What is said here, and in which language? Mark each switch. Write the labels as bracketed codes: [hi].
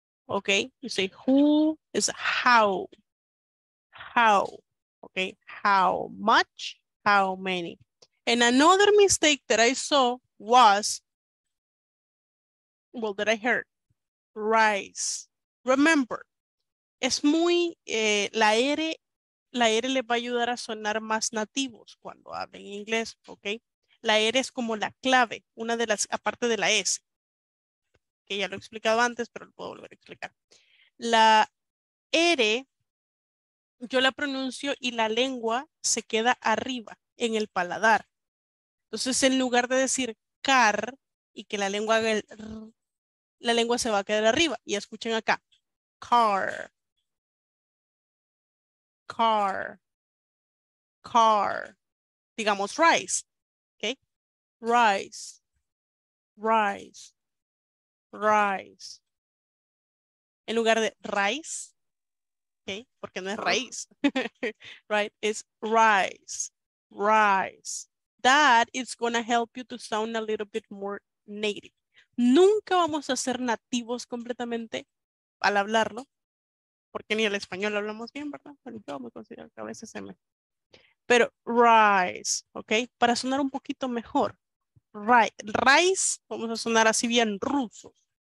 [en] Okay, you say who is how. How, okay, how much, how many. And another mistake that I saw was, well, that I heard, rice. [es] Remember, es muy, la R les va a ayudar a sonar más nativos cuando hablen inglés, okay? La R es como la clave, una de las, aparte de la S, que ya lo he explicado antes, pero lo puedo volver a explicar. La R, yo la pronuncio y la lengua se queda arriba, en el paladar. Entonces, en lugar de decir car y que la lengua haga el r, la lengua se va a quedar arriba. Y escuchen acá. Car. [en] Car. Car. [es] Digamos [en] rice. Okay. Rice. Rice. Rice. [es] En lugar de rice. Okay. Porque no es raíz. [en] Right. It's rice. Rice. That is going to help you to sound a little bit more native. [es] Nunca vamos a ser nativos completamente al hablarlo, porque ni el español lo hablamos bien, ¿verdad? Pero yo me considero que a veces se me... Pero rice, ¿ok? Para sonar un poquito mejor. Rice, vamos a sonar así bien rusos.